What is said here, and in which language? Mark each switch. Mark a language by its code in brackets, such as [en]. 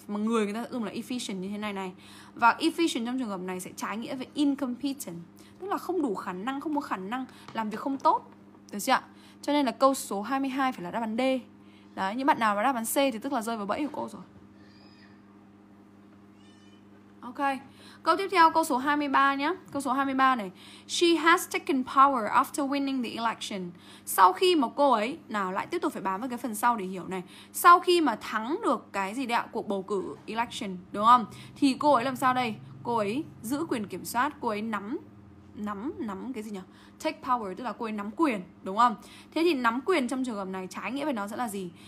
[vi] Mà người người ta dùng là efficient như thế này này. Và efficient trong trường hợp này sẽ trái nghĩa với incompetent, tức là không đủ khả năng, không có khả năng, làm việc không tốt, được chưa? Cho nên là câu số 22 phải là đáp án D. Đấy, những bạn nào mà đáp án C thì tức là rơi vào bẫy của cô rồi. Ok, câu tiếp theo, câu số 23 nhé. Câu số 23 này. [en] She has taken power after winning the election. [vi] Sau khi mà cô ấy, nào lại tiếp tục phải bám vào cái phần sau để hiểu này. Sau khi mà thắng được cái gì đấy ạ, cuộc bầu cử election, đúng không? Thì cô ấy làm sao đây? Cô ấy giữ quyền kiểm soát, cô ấy nắm cái gì nhỉ? Take power, tức là cô ấy nắm quyền, đúng không? Thế thì nắm quyền trong trường hợp này trái nghĩa với nó sẽ là gì?